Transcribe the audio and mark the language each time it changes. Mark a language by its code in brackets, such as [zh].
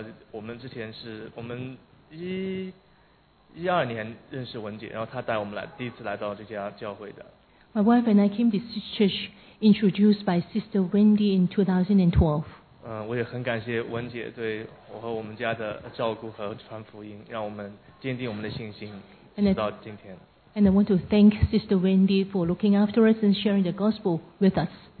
[zh] 我们之前是我们12年认识文姐，然后她带我们来第一次来到这家教会的。 [en] My wife and I came to this church introduced by Sister Wendy in 2012. [zh] 我也很感谢文姐对我和我们家的照顾和传福音，让我们坚定我们的信心，直到今天。 [en] And I want to thank Sister Wendy for looking after us and sharing the gospel with us.